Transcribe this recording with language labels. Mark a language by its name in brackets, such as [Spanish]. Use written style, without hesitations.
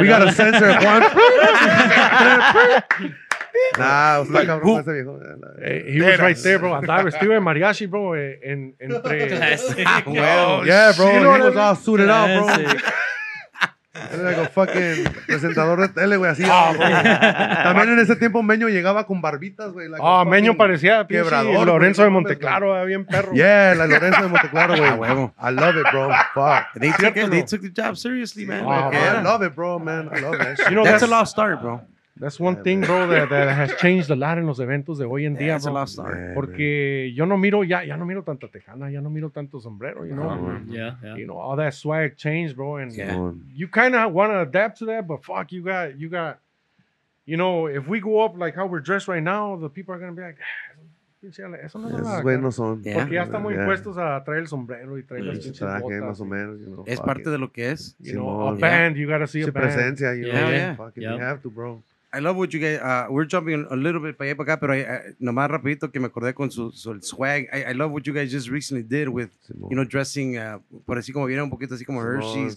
[English] We got a censor, Juan. Nah, he was right there, bro. I was still in mariachi, bro. In yeah, bro. You know he was all suited up, bro. [Spanish] Era [English] like a fucking [Spanish] presentador de tele, güey. Así. Oh, bro. También en ese tiempo Meño llegaba con barbitas, güey. Ah, like Meño parecía quebrador. Lorenzo de Monteclaro, bien perro. Yeah, la Lorenzo de Monteclaro, güey. Ah, huevo. [English] I love it, bro. Fuck. They took the job seriously, man. Oh, okay. I love it, bro, man. I love it. You know, that's a lost start, bro. That's one thing, bro, that has changed a lot in [Spanish] los eventos de hoy en día, [English] bro. That's a lot, sorry. [Spanish] Porque man. Yo no miro, ya no miro tanta tejana, ya no miro tanto sombrero, [English] you know? Yeah. You know, all that swag changed, bro. And you kind of want to adapt to that, but fuck, you got, you know, if we go up like how we're dressed right now, the people are going to be like, [Spanish] eso no es bueno, no son. [English] Yeah. [Spanish] Porque ya estamos impuestos a traer el sombrero y traer las pinches botas. Traje, más o menos, [English] you know, [Spanish] es parte de lo que es. [English] You know, a band, you got to see a band. Presencia, you know, fucking you have to, bro. I love what you guys, we're jumping a little bit [Spanish] para acá, pero nomás rapidito que me acordé con su swag. [English] I love what you guys just recently did with, Simón. You know, dressing, [Spanish] por así como vieron, un poquito así como [English] Simón, Hershey's.